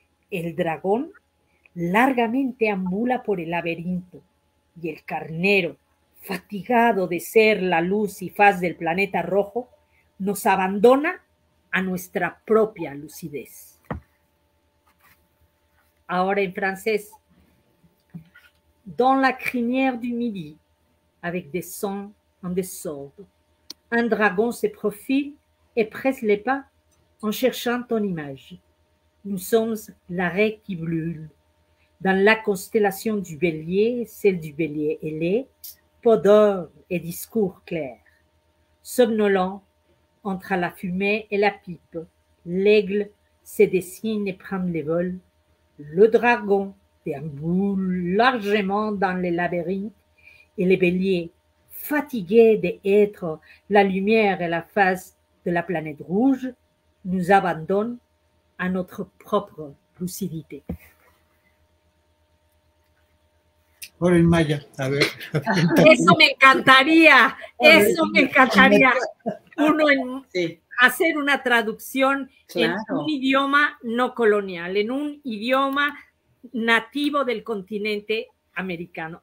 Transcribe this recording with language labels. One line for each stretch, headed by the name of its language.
Spanish: El dragón largamente ambula por el laberinto y el carnero, fatigado de ser la luz y faz del planeta rojo, nos abandona a nuestra propia lucidez. Ahora en francés.
French: Dans la crinière du midi, avec des sons en désordre, un dragon se profile et presse les pas en cherchant ton image. Nous sommes la raie qui brûle. Dans la constellation du bélier, celle du bélier ailé, peau d'or et discours clair. Somnolent, entre la fumée et la pipe, l'aigle se dessine et prend les vols. Le dragon déambule largement dans les labyrinthes et les béliers, fatigués d'être la lumière et la face de la planète rouge, nous abandonnent à notre propre lucidité.
Spanish: Ahora en maya, a ver. Eso me encantaría, eso me encantaría. Uno en hacer una traducción, claro, en un idioma no colonial, en un idioma nativo del continente americano.